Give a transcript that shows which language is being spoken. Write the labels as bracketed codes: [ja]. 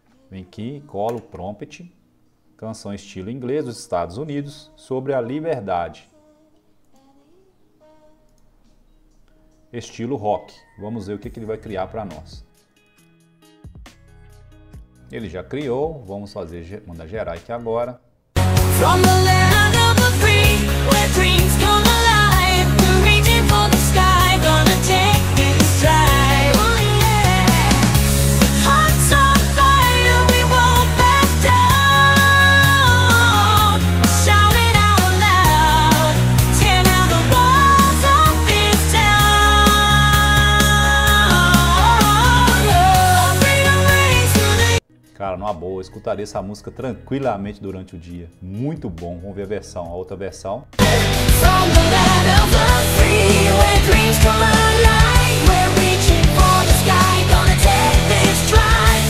[pt] Vem aqui, cola o prompt. Canção estilo inglês dos Estados Unidos sobre a liberdade. Estilo rock. Vamos ver o que ele vai criar para nós. Ele já criou, vamos fazer, mandar gerar aqui agora. [en] From the land of the free, where dreams come alive, reaching for the sky, gonna take this drive. Oh yeah. Hearts on fire, we won't back down. Shout it out loud. Tear down the walls of this town. Freedom rings tonight. [pt] Cara, numa boa, escutaria essa música tranquilamente durante o dia. Muito bom. Vamos ver a versão, a outra versão. [en] From the land of the free, where dreams come alive, we're reaching for the sky, gonna take this drive.